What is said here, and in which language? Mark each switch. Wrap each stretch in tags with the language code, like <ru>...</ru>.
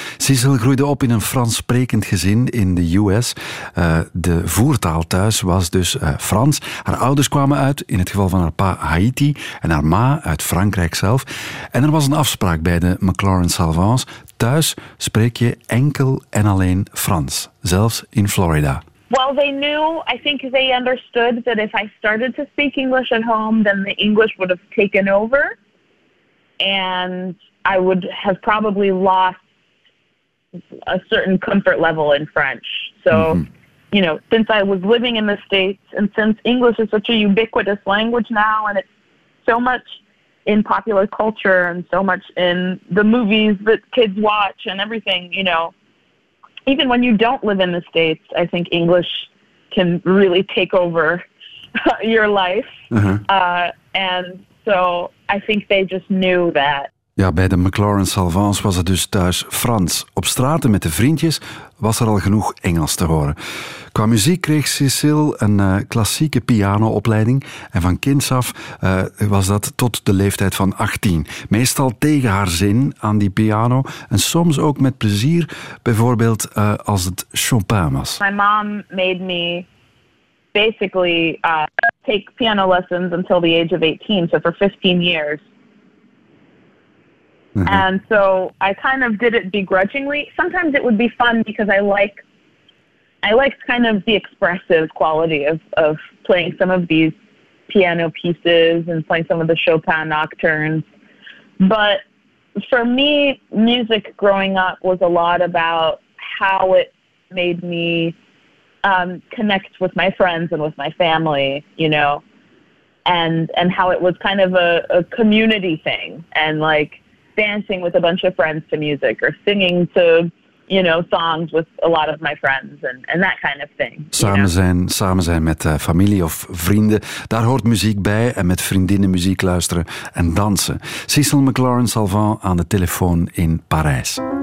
<nl>Cecil groeide op in een Frans sprekend gezin in de US. De voertaal thuis was dus Frans. Haar ouders kwamen uit, in het geval van haar pa Haiti. En haar ma uit Frankrijk zelf. En er was een afspraak bij de McLaurin Salvans. Thuis spreek je enkel en alleen Frans. Zelfs in Florida.</nl> <en>Well, they knew, I think they understood that if I started to speak English at home, then the English would have taken over. And I would have probably lost a certain comfort level in French. So, mm-hmm. You know, since I was living in the States, and since English is such a ubiquitous language now, and it's so much in popular culture and so much in the movies that kids watch and everything, you know, even when you don't live in the States, I think English can really take over your life. Uh-huh. And so I think they just knew that.</en> <nl>Ja, bij de McLaurin Salvans was het dus thuis Frans. Op straten met de vriendjes was er al genoeg Engels te horen. Qua muziek kreeg Cecil een klassieke pianoopleiding. En van kinds af was dat tot de leeftijd van 18. Meestal tegen haar zin aan die piano. En soms ook met plezier, bijvoorbeeld als het Chopin was.</nl> <en>My mom made me basically take piano lessons until the age of 18. So for 15 years. Mm-hmm. And so I kind of did it begrudgingly. Sometimes it would be fun because I liked kind of the expressive quality of playing some of these piano pieces and playing some of the Chopin nocturnes. But for me, music growing up was a lot about how it made me connect with my friends and with my family, you know, and how it was kind of a community thing and like dancing with a bunch of friends to music or singing to, you know, songs with a lot of my friends and that kind of thing.</en> <nl>Samen zijn met familie of vrienden, daar hoort muziek bij en met vriendinnen muziek luisteren en dansen. Cecil McLaurin Salvan aan de telefoon in Parijs.</nl>